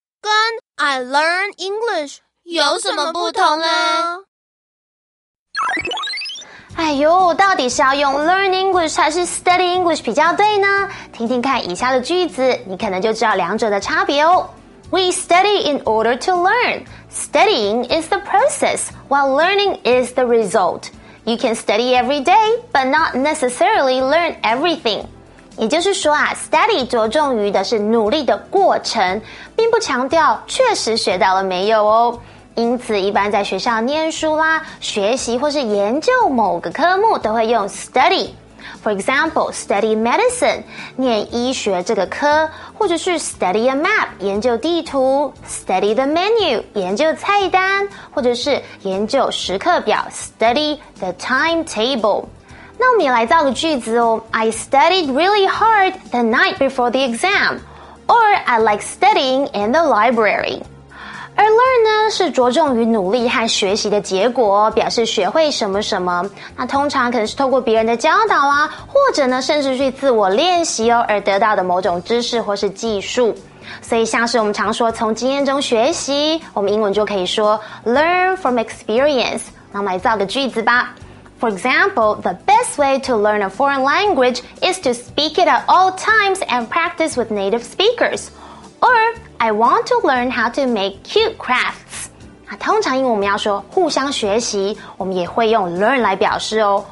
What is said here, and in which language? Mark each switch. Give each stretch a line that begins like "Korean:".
Chinese: 跟
English: I learn English。
Chinese: 有什么不同呢？哎呦，到底是要用 learn English 还是 study English 比较对呢？听听看以下的句子，你可能就知道两者的差别哦。
English: We study in order to learn. Studying is the process, while learning is the result. You can study every day, but not necessarily learn everything.
Chinese: 也就是说啊 ，study 着重于的是努力的过程，并不强调确实学到了没有哦。因此，一般在学校念书啦、学习或是研究某个科目，都会用 study。
English: For example, study medicine，
Chinese: 念医学这个科，或者是
English: study a map，
Chinese: 研究地图 ；
English: study the menu，
Chinese: 研究菜单，或者是研究时刻表 ；
English: study the timetable。
Chinese: 那我们也来造个句子哦。
English: I studied really hard the night before the exam. Or I like studying in the library.
Chinese: 而 learn 呢，是着重于努力和学习的结果，表示学会什么什么。那通常可能是透过别人的教导啊，或者呢，甚至去自我练习哦，而得到的某种知识或是技术。所以像是我们常说从经验中学习，我们英文就可以说
English: learn from experience。
Chinese: 那我们来造个句子吧。
English: For example, the best way to learn a foreign language is to speak it at all times and practice with native speakers. Or, I want to learn how to make cute crafts.
Chinese: 那通常因为我们要说互相学习，我们也会用 learn 来表示哦。